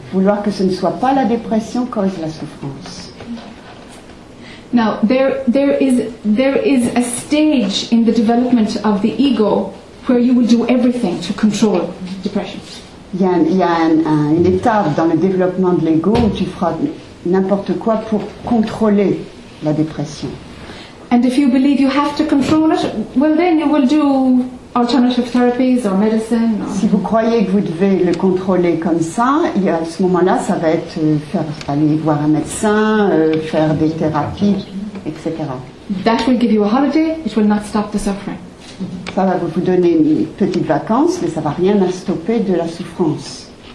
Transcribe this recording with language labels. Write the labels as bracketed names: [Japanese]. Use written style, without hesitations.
[French] Vouloir que ce ne soit pas la dépression cause la souffrance. [English] Now there is a stage in the development of the ego where you will do everything to control depression. [French] Il y a une étape dans le développement de l'ego où tu feras n'importe quoi pour contrôler la dépression. [English] And if you believe you have to control it, well then you will do alternative therapies or medicine. Or... [French] Si vous croyez que vous devez le contrôler comme ça, à ce moment-là, ça va être aller voir un médecin, faire des thérapies, etc. [English] That will give you a holiday. It will not stop the suffering. [French] Ça va vous donner une petite vacance, mais ça va rien à stopper de la souffrance.